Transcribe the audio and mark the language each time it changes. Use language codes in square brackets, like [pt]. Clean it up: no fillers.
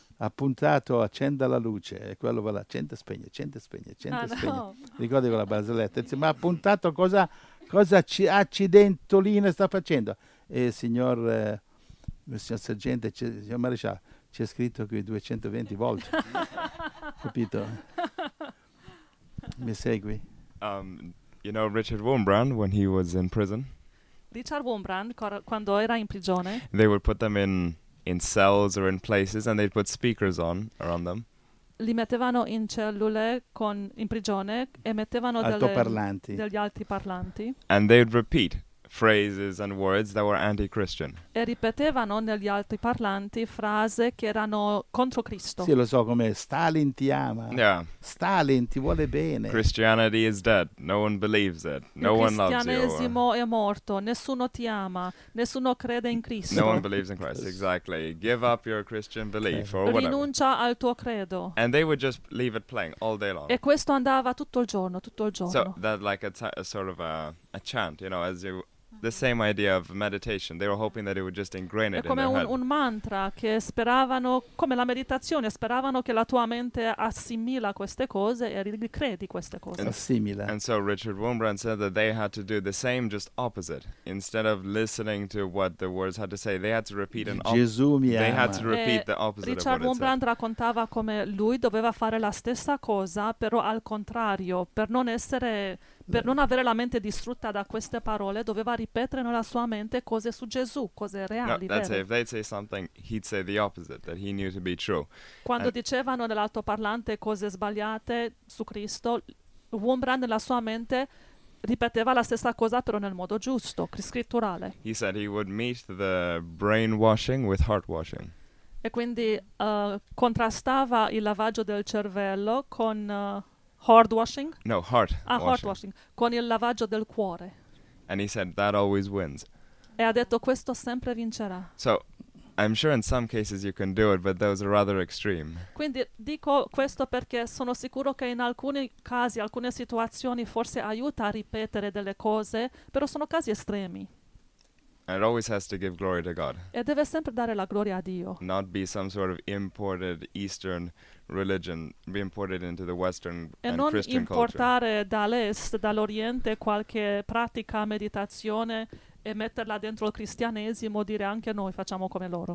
[it] Appuntato, accenda la luce, e quello va là, accende e spegne, accende e spegne, accende e spegne. Ricordi quella barzelletta? Ma appuntato cosa accidentolina sta facendo? E signor sergente, signor maresciallo, c'è scritto qui 220 volte. Capito? Mi segui? [en] You know Richard Wurmbrand when he was in prison? [it] Richard Wurmbrand, quando era in prigione? [en] They would put them in cells or in places, and they'd put speakers on around them. [it] Li mettevano in cellule in prigione e mettevano degli altri parlanti. [en] And they'd repeat phrases and words that were anti-Christian. [it] E ripetevano negli altri parlanti frasi che erano contro Cristo. Sì, lo so, come Stalin ti ama. [en] Yeah. [it] Stalin ti vuole bene. [en] Christianity is dead. No one believes it. No one loves you. [it] Cristianesimo è morto. Nessuno ti ama. Nessuno crede in Cristo. [en] No one believes in Christ. Exactly. Give up your Christian belief or whatever. [it] Rinuncia al tuo credo. [en] And they would just leave it playing all day long. [it] E questo andava tutto il giorno, tutto il giorno. [en] So that like a sort of a chant, you know, as you... The same idea of meditation. They were hoping that it would just ingrain it in their head. [it] È come un mantra che speravano, come la meditazione, speravano che la tua mente assimila queste cose e ricredi queste cose. Assimila. [en] And so Richard Wurmbrand said that they had to do the same, just opposite. Instead of listening to what the words had to say, they had to repeat an opposite. [it] Gesù mi ama. [en] They had to repeat the opposite of what it said. [it] Richard Wurmbrand raccontava come lui doveva fare la stessa cosa, però al contrario, per non essere... Per non avere la mente distrutta da queste parole, doveva ripetere nella sua mente cose su Gesù, cose reali. [en] No, that's it. If they'd say something, he'd say the opposite, that he knew to be true. [it] Quando dicevano nell'altoparlante cose sbagliate su Cristo, Wurmbrand nella sua mente ripeteva la stessa cosa però nel modo giusto, scritturale. [en] He said he would meet the brainwashing with heartwashing. [it] E quindi contrastava il lavaggio del cervello con heartwashing? No, heart. Ah, heartwashing. Con il lavaggio del cuore. [en] And he said that always wins. [it] E ha detto questo sempre vincerà. [en] So I'm sure in some cases you can do it, but those are rather extreme. [it] Quindi dico questo perché sono sicuro che in alcuni casi, alcune situazioni, forse aiuta a ripetere delle cose, però sono casi estremi. [en] And it always has to give glory to God. [it] E deve sempre dare la gloria a Dio. [en] Not be some sort of imported Eastern religion, be imported into the Western and Christian culture. [it] E non importare dall'est, dall'oriente, qualche pratica, meditazione, e metterla dentro il cristianesimo, dire anche noi facciamo come loro.